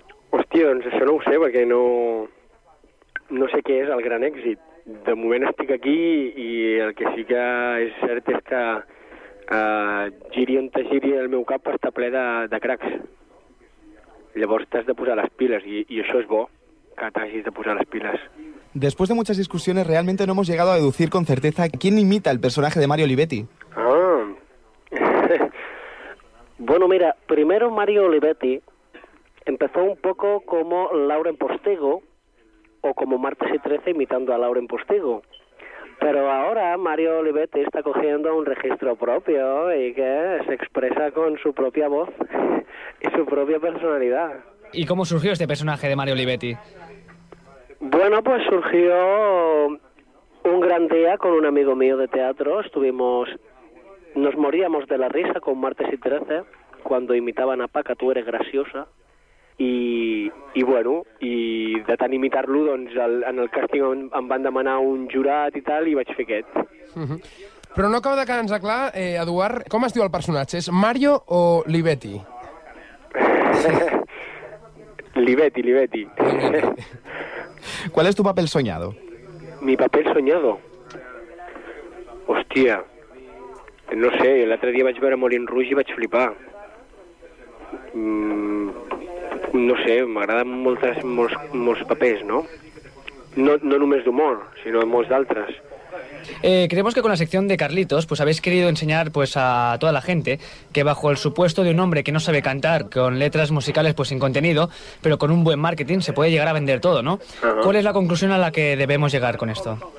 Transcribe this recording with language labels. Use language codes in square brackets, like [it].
[ca] Hòstia, doncs això no ho sé, perquè no sé què és el gran èxit. De moment estic aquí i el que sí que és cert és que giri on te giri el meu cap està ple de cracs. Llavors t'has de posar les piles i això és bo, que t'hagis de posar les piles. [es] Después de muchas discusiones realmente no hemos llegado a deducir con certeza quién imita el personaje de Mario Olivetti. Ah. Bueno, mira, primero Mario Olivetti empezó un poco como Lauren Postigo, o como Martes y Trece imitando a Lauren Postigo. Pero ahora Mario Olivetti está cogiendo un registro propio y que se expresa con su propia voz y su propia personalidad. ¿Y cómo surgió este personaje de Mario Olivetti? Bueno, pues surgió un gran día con un amigo mío de teatro. Nos moríamos de la risa con Martes y Trece cuando imitaban a Paca, tú eres graciosa. [ca] I bueno, i de tant imitar-lo, doncs en el càsting em van demanar un jurat i tal, i vaig fer aquest. Uh-huh. Però no acaba de quedar-nos clar, Eduard, com es diu el personatge? És Mario o Olivetti? Olivetti, Olivetti. [es] ¿Cuál es tu papel soñado? ¿Mi papel soñado? [ca] Hòstia, no sé, l'altre dia vaig veure Moulin Rouge i vaig flipar. No sé, m'agraden molts papers, no? No només d'humor, sinó molts d'altres. [es] Creemos que con la sección de Carlitos pues habéis querido enseñar pues a toda la gente que bajo el supuesto de un hombre que no sabe cantar, con letras musicales pues sin contenido, pero con un buen marketing se puede llegar a vender todo, ¿no? Uh-huh. ¿Cuál es la conclusión a la que debemos llegar con esto?